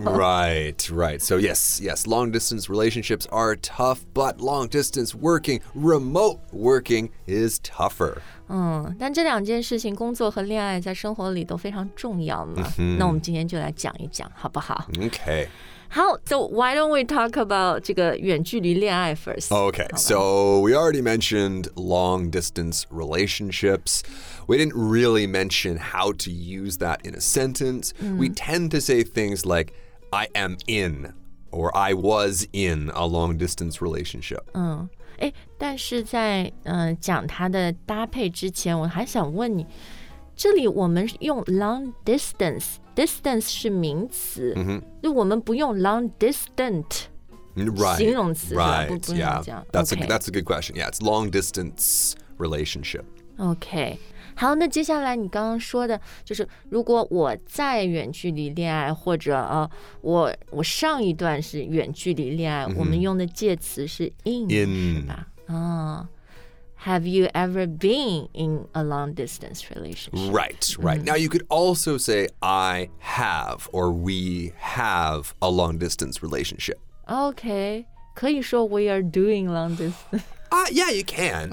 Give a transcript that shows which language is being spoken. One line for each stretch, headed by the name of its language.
English: Right, right. So yes, yes, long distance relationships are tough, but long distance working, remote working is tougher.
Chinese: 但这两件事情，工作和恋爱在生活里都非常重要嘛。那我们今天就来讲一讲，好不好？
English: Okay. How, so why don't we talk about
Chinese: 这个远距离恋爱
English: first? Okay, so we already mentioned long distance relationships. We didn't really mention how to use that in a sentence. We tend to say things like, I am in, or I was in a long distance relationship.
Chinese: 但是在讲它的搭配之前，我还想问你，这里我们用 long distance,Distance 是名词，就我们不用 long distant 形容词，不用这样。
English: That's that's a good question. Yeah, it's long distance relationship.
Chinese: Okay, 好，那接下来你刚刚说的，就是如果我在远距离恋爱，或者我上一段是远距离恋爱，我们用的介词是 in 是吧？
English: Have you ever been in a long distance relationship? Right, right. Now you could also say I have or we have a long distance relationship. Okay,
Chinese: 可以说
English: we are doing long distance. Yeah, you can.